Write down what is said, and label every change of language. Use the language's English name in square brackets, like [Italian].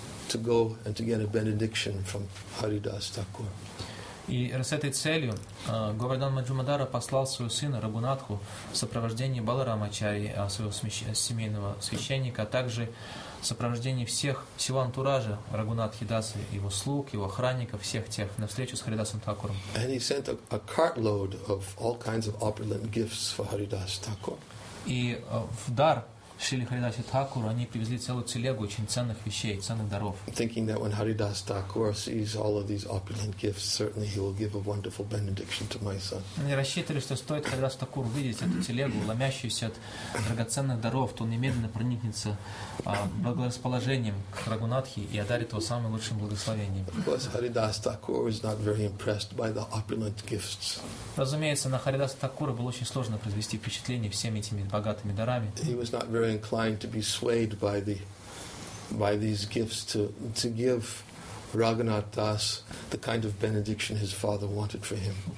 [English] to go and to get a benediction from Haridas Thakur. [Russian] И с этой целью Говардан Маджумадара послал своего сына Рагунатху в сопровождении Баларама Ачарьи, своего семейного священника, а также в сопровождении всего антуража Рагунатхи Дасы, его слуг, его охранников, всех тех, на встречу с Харидасом Такуром. [English] And he sent a cartload of all kinds of opulent gifts for Haridas Thakur. [Russian] И в дар Шрили Харидасу Такуру они привезли целую телегу очень ценных вещей, ценных даров. [English] Thinking that when Haridas Thakur sees all of these opulent gifts, certainly he will give a wonderful benediction to my son. [Russian] Они рассчитывали, что стоит Харидасу Такуру увидеть эту телегу, ломящуюся от драгоценных даров, то он немедленно проникнется благорасположением к Рагунатхе и одарит его самым лучшим благословением. [English] Of course, Haridas Thakur is not very impressed by the opulent gifts. [Russian] Разумеется, на Харидаса Такура было очень сложно произвести впечатление всеми этими богатыми дарами. [English] He was not very inclined to be swayed by these gifts to give Raghunath Das the kind of benediction his father wanted for him.